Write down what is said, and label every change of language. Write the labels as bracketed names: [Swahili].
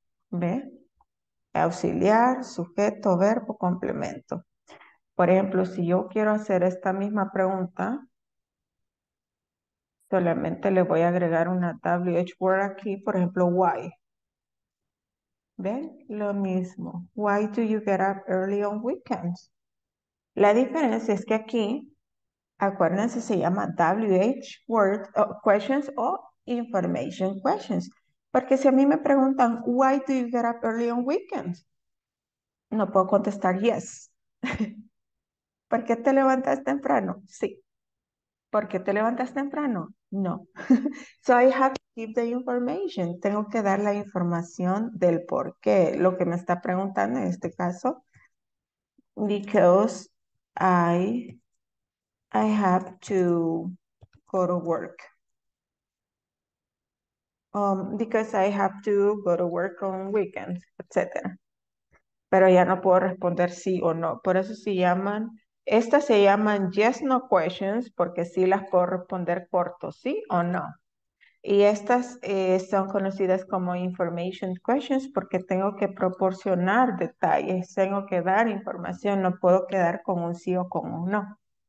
[Spanish] ¿Ve? Auxiliar, sujeto, verbo, complemento. Por ejemplo, si yo quiero hacer esta misma pregunta, solamente le voy a agregar una WH word aquí, por ejemplo, why. ¿Ven? Lo mismo. [English] Why do you get up early on weekends? [Spanish] La diferencia es que aquí, acuérdense, se llama WH word questions o information questions. Porque si a mí me preguntan, [English] why do you get up early on weekends? [Spanish] No puedo contestar yes. ¿Por qué te levantas temprano? Sí. ¿Por qué te levantas temprano? No. [English] So I have to give the information. [Spanish] Tengo que dar la información del por qué. Lo que me está preguntando en este caso. [English] Because I have to go to work. Because I have to go to work on weekends, etc. [Spanish] Pero ya no puedo responder sí o no. Por eso se llaman... Estas se llaman yes, no questions, porque sí las puedo responder corto, sí o no. Y estas son conocidas como information questions porque tengo que proporcionar detalles, tengo que dar información, no puedo quedar con un sí o con un no.